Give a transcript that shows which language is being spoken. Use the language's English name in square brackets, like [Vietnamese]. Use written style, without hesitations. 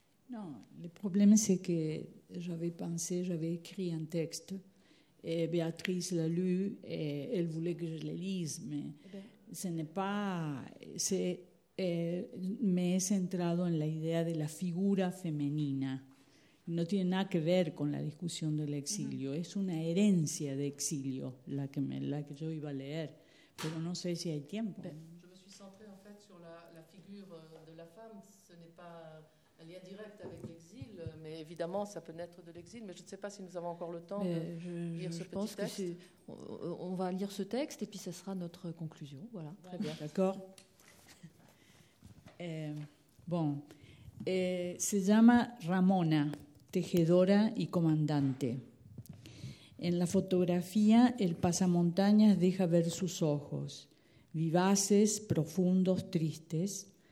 [French] Non, le problème c'est que j'avais écrit un texte et Béatrice l'a lu et elle voulait que je le lise, mais ce n'est pas, me he centrado en la idea de la figura femenina. [Spanish] No tiene nada que ver con la discusión del exilio. Uh-huh. Es una herencia de exilio la que yo iba a leer, pero no sé si hay tiempo. [French] Je me suis centrée en fait sur la figure de la femme. Ce n'est pas un lien direct avec l'exil, mais évidemment ça peut naître de l'exil. Mais je ne sais pas si nous avons encore le temps de lire ce petit texte. On va lire ce texte et puis ça sera notre conclusion. Voilà. Ouais. Très bien. D'accord. [Spanish] Se llama Ramona, tejedora y comandante. En la fotografía, el pasamontañas deja ver sus ojos, vivaces, profundos, tristes.